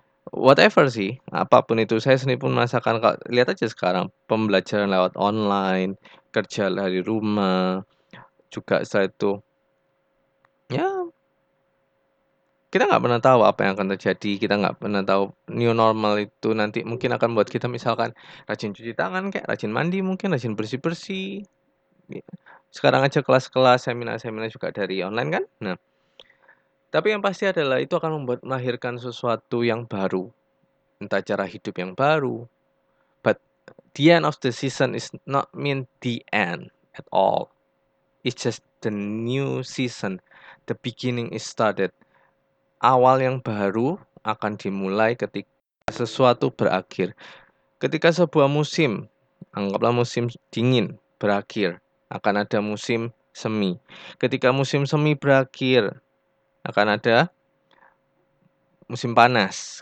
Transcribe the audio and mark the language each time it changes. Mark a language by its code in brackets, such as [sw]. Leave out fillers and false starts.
[id] Whatever sih, apapun itu, saya sendiri pun merasakan, lihat aja sekarang, pembelajaran lewat online, kerja dari rumah, juga setelah itu, ya, kita nggak pernah tahu apa yang akan terjadi, kita nggak pernah tahu new normal itu nanti mungkin akan buat kita misalkan rajin cuci tangan, kayak rajin mandi mungkin, rajin bersih-bersih. Sekarang aja kelas-kelas, seminar-seminar juga dari online kan? Nah. Tapi yang pasti adalah itu akan melahirkan sesuatu yang baru. entah cara hidup yang baru. [en] But the end of the season is not mean the end at all. It's just the new season. The beginning is started. [id] Awal yang baru akan dimulai ketika sesuatu berakhir. Ketika sebuah musim, anggaplah musim dingin, berakhir, akan ada musim semi. Ketika musim semi berakhir, akan ada musim panas.